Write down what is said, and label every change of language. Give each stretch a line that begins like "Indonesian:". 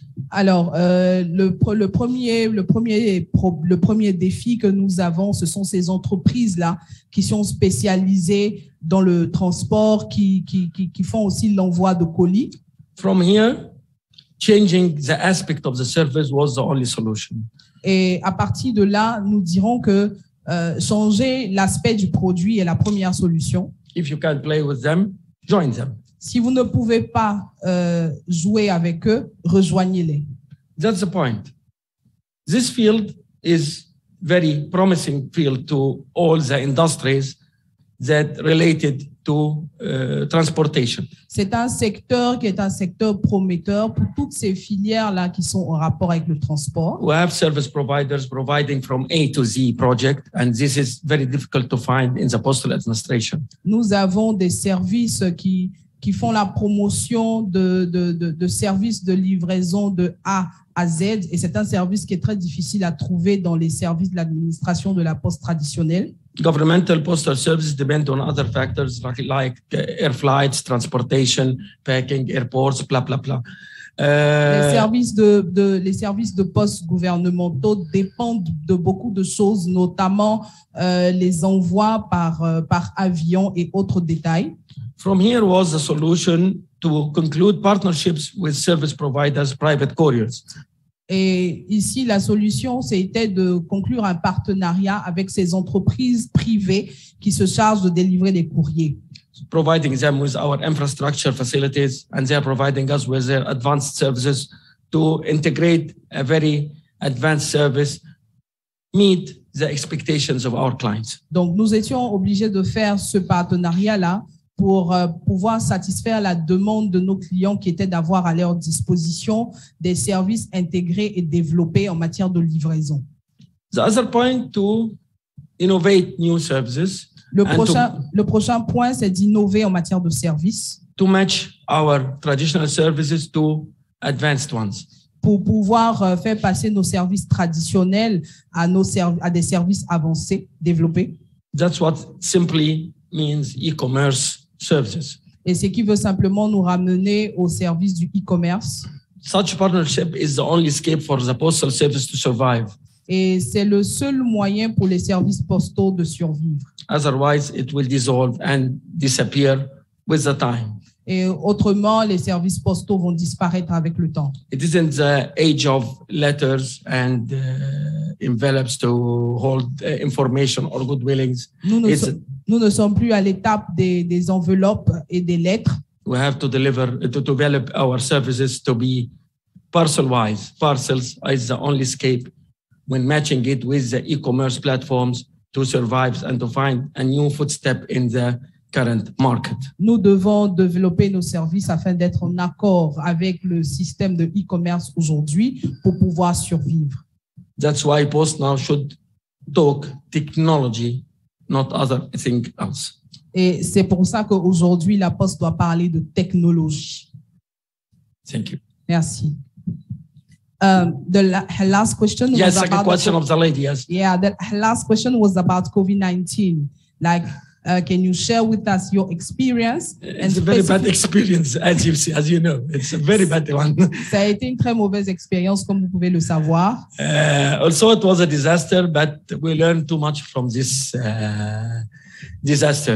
French: Alors, le premier défi que nous avons, ce sont ces entreprises-là qui sont spécialisées dans le transport, qui font aussi l'envoi de colis.
English: From here, changing the aspect of the service was the only solution.
French: Et à partir de là, nous dirons que changer l'aspect du produit est la première solution.
English: If you can't play with them, join them.
French: Si vous ne pouvez pas jouer avec eux, rejoignez-les.
English: That's the point. This field is very promising field to all the industries that related to transportation.
French: C'est un secteur qui est un secteur prometteur pour toutes ces filières là qui sont en rapport avec le transport.
English: We have service providers providing from A to Z project, and this is very difficult to find in the postal administration.
French: Nous avons des services qui font la promotion de services de livraison de A à Z. Et c'est un service qui est très difficile à trouver dans les services de l'administration de la poste traditionnelle.
English: Governmental postal services depend on other factors like air flights, transportation, packing, airports, blah, blah, blah.
French: Les services de poste gouvernementaux dépendent de beaucoup de choses, notamment les envois par avion et autres détails.
English: From here was the solution to conclude partnerships with service providers, private couriers.
French: Et ici, la solution, c'était de conclure un partenariat avec ces entreprises privées qui se chargent de délivrer des courriers.
English: Providing them with our infrastructure facilities, and they are providing us with their advanced services to integrate a very advanced service, meet the expectations of our clients.
French: Donc, nous étions obligés de faire ce partenariat-là pour pouvoir satisfaire la demande de nos clients qui était d'avoir à leur disposition des services intégrés et développés en matière de livraison.
English: The other point to innovate new services.
French: Le prochain point, c'est d'innover en matière de services.
English: To match our traditional services to advanced ones.
French: Pour pouvoir faire passer nos services traditionnels à des services avancés, développés.
English: That's what simply means e-commerce services.
French: Et ce qui veut simplement nous ramener au service du e-commerce.
English: Such partnership is the only escape for the postal service to survive.
French: Et c'est le seul moyen pour les services postaux de survivre.
English: Otherwise, it will dissolve and disappear with the time.
French: Et autrement, les services postaux vont disparaître avec le temps.
English: It isn't the age of letters and envelopes to hold information or good willings.
French: Nous ne sommes plus à l'étape des enveloppes et des lettres.
English: We have to deliver to develop our services to be parcel-wise. Parcels is the only escape when matching it with the e-commerce platforms to survive and to find a new footstep in the current market.
French: Nous devons développer nos services afin d'être en accord avec le système de e-commerce aujourd'hui pour pouvoir survivre.
English: That's why PostNow should talk technology, not other thing else.
French: Et c'est pour ça qu'aujourd'hui, la Poste doit parler de technologie.
English: Thank you.
French: Merci.
English: The last question yes, was about... Yes, second question of the lady, yes. Yeah, the last question was about COVID-19. Like, can you share with us your experience? It's a very bad experience, as you see, as you know. It's a very bad one.
French: Ça a été une très mauvaise expérience, comme vous pouvez le savoir.
English: Also, it was a disaster, but we learned too much from this disaster.